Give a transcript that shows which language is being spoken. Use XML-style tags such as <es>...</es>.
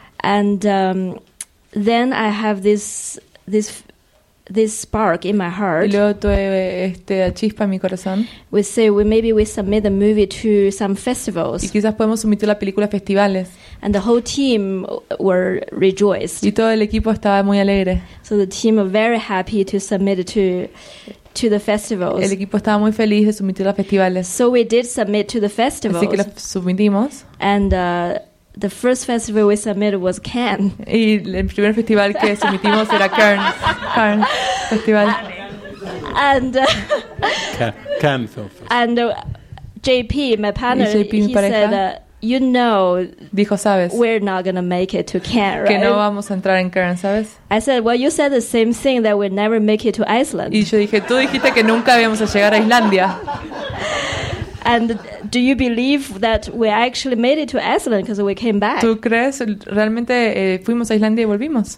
<en>And then I have this spark in my heart.</en> <es>Y luego tuve chispa en mi corazón.</es> <en>We say maybe we submit the movie to some festivals.</en> <es>Y quizás podemos sumitir la película a festivales.</es> <en>And the whole team were rejoiced.</en> <es>Y todo el equipo estaba muy alegre.</es> <en>So the team were very happy to submit it to the festivals.</en> <es>El equipo estaba muy feliz de sumitirlo a festivales.</es> <en>So we did submit to the festivals.</en> <es>Así que lo sumitimos.</es> <en>And the first festival we submitted was Cannes.</en> <es>Y el primer festival que sumitimos era Cannes.</es> <en>Cannes Festival. And Cannes Film Festival. And JP, my partner, JP, he</en> <es>pareja,</es> <en>said, you know,</en> <es>dijo, sabes,</es> <en>we're not gonna make it to Cannes, right?</en> <es>Que no vamos a entrar en Cannes, sabes.</es> <en>I said, well, you said the same thing that we'll never make it to Iceland.</en> <es>Y yo dije, tú dijiste que nunca íbamos a llegar a Islandia.</es> <en>And do you believe that we actually made it to Iceland because we came back?</en> <es>¿Tú crees realmente fuimos a Islandia y volvimos?</es>